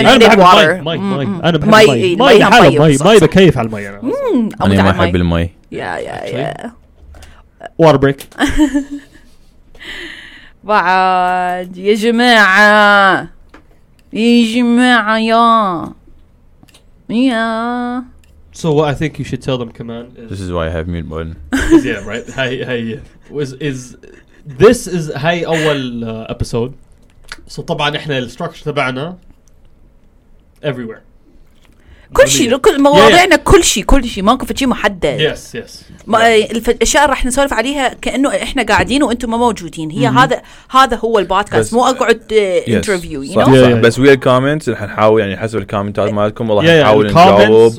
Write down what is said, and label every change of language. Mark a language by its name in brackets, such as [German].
[Arabic] انا بحب المي بكيف على المي انا ما احب المي يا [English] water break [Arabic] بعد يا جماعه يا Yeah. [English] So what I think you should tell them, Kaman. This is why I have mute button. yeah, right. Hey. This is hey, first episode. So, [Arabic] طبعا إحنا [English] the structure [Arabic] تبعنا [English] everywhere. [Arabic] كل شيء كل مواضيعنا كل شيء ماكو في شيء محدد [English] yes. [Arabic] ما الاشياء راح نسولف عليها كانه احنا قاعدين وانتم ما موجودين هي هذا هو البودكاست مو اقعد [English] interview you know [Arabic] بس وي الكومنتس راح نحاول يعني حسب الكومنتات مالكم والله نحاول نجاوب